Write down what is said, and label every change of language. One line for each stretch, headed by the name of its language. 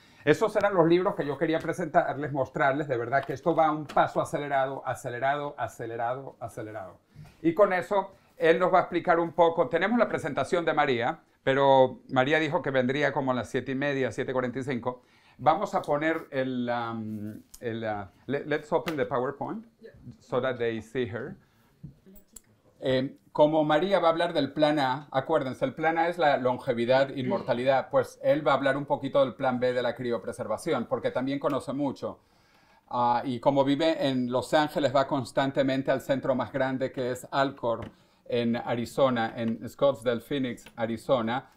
Spanish: Esos eran los libros que yo quería presentarles, mostrarles, de verdad, que esto va a un paso acelerado, acelerado, acelerado, acelerado. Y con eso, él nos va a explicar un poco. Tenemos la presentación de María, pero María dijo que vendría como a las 7:30, 7:45. Vamos a poner
English: let's open the PowerPoint so that they see her.
Spanish: Como María va a hablar del plan A, acuérdense, el plan A es la longevidad, inmortalidad, pues él va a hablar un poquito del plan B de la criopreservación, porque también conoce mucho. Y como vive en Los Ángeles, va constantemente al centro más grande que es Alcor, en Arizona, en Scottsdale, Phoenix, Arizona.